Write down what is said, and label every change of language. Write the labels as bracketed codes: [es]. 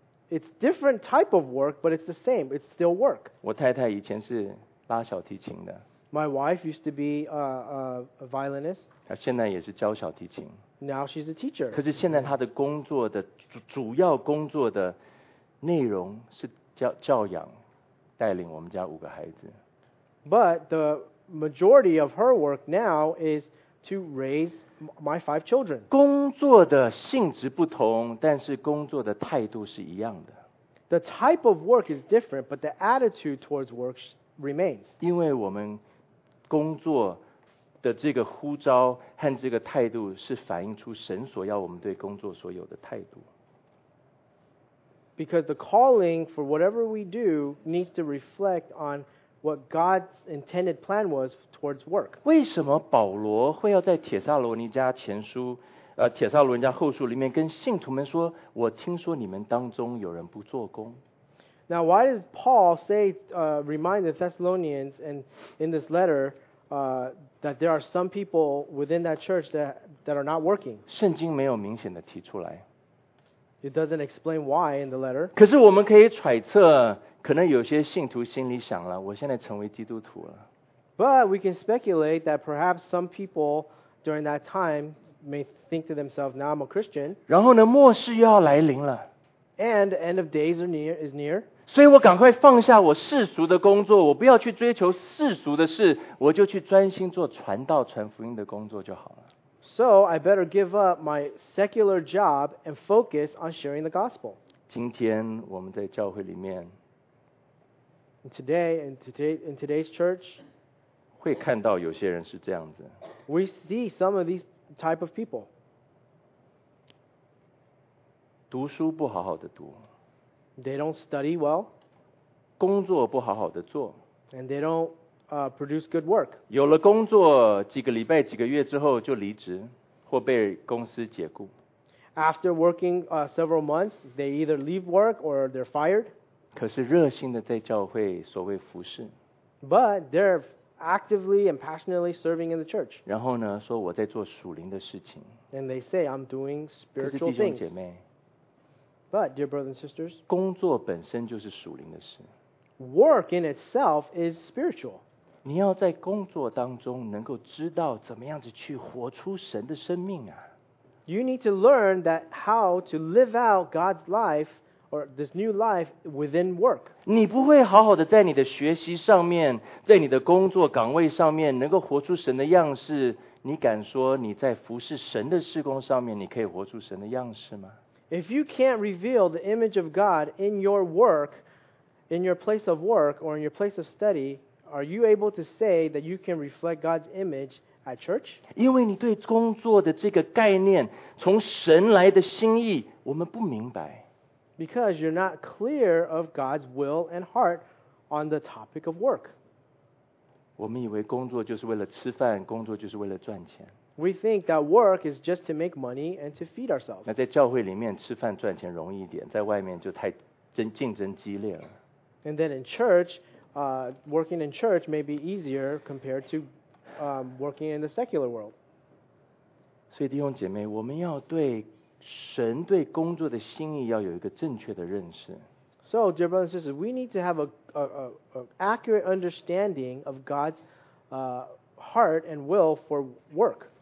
[en] It's different type of work, but it's the same. It's still work. [zh] 我太太以前是拉小提琴的。 [en] My wife used to be a violinist. [zh] 她现在也是教小提琴。 [en] Now she's a teacher. [zh] 可是现在她的工作的主要工作的内容是教养。带领我们家五个孩子。 [en] But the majority of her work now is to raise my five children. [zh] 工作的性质不同，但是工作的态度是一样的。 [en] The type of work is different, but the attitude towards work remains. [zh] 因为我们工作的这个呼召和这个态度是反映出神所要我们对工作所有的态度。 [en] Because the calling for whatever we do needs to reflect on what God's intended plan was towards work. [zh] 为什么保罗会要在帖撒罗尼迦前书，帖撒罗尼迦后书里面跟信徒们说，我听说你们当中有人不做工。 [en] Now, why does Paul say, remind the Thessalonians and in this letter, that there are some people within that church that are not working? [zh] 圣经没有明显的提出来。 [en] It doesn't explain why in the letter. [zh] 可是我们可以揣测，可能有些信徒心里想了，我现在成为基督徒了。 [en] But we can speculate that perhaps some people during that time may think to themselves, now I'm a Christian. [zh] 然后呢，末世又要来临了。 [en] And the end of days is near. [zh] 所以我赶快放下我世俗的工作，我不要去追求世俗的事，我就去专心做传道、传福音的工作就好了。 [en] So I better give up my secular job and focus on sharing the gospel. [zh] 今天我们在教会里面 [en] Today, in today's church, [zh] 会看到有些人是这样子 [en] We see some of these type of people. [zh] 读书不好好的读 [en] They don't study well. [zh] 工作不好好的做 [en] And they don'tproduce good work. [zh] 有了工作几个礼拜几个月之后就离职或被公司解雇。 [en] After working several months, they either leave work or they're fired. [zh] 可是热心的在教会所谓服事。 [en] But they're actively and passionately serving in the church. [zh] 然后呢说我在做属灵的事情。 [en] And they say I'm doing spiritual things. [zh] 可是弟兄姐妹 [en] But, dear brothers and sisters, [zh] 工作本身就是属灵的事。 [en] Work in itself is spiritual. [zh] 你要在工作当中能够知道怎么样子去活出神的生命啊。 [en] You need to learn that how to live out God's life or this new life within work. [zh] 你不会好好的在你的学习上面，在你的工作岗位上面能够活出神的样式，你敢说你在服侍神的事工上面你可以活出神的样式吗？ [en] If you can't reveal the image of God in your work, in your place of work, or in your place of study, are you able to say that you can reflect God's image at church? [zh] 因为你对工作的这个概念，从神来的心意，我们不明白。 [en] Because you're not clear of God's will and heart on the topic of work. [zh] 我们以为工作就是为了吃饭，工作就是为了赚钱。 [en] We think that work is just to make money and to feed ourselves. [zh] 那在教会里面吃饭赚钱容易一点，在外面就太竞争激烈了。 [en] And then in church, working in church may be easier compared to working in the secular world. [zh] 所以弟兄姐妹，我们要对神对工作的心意要有一个正确的认识。 [en] So, dear brothers and sisters, we need to have an accurate understanding of God's heart and will for work.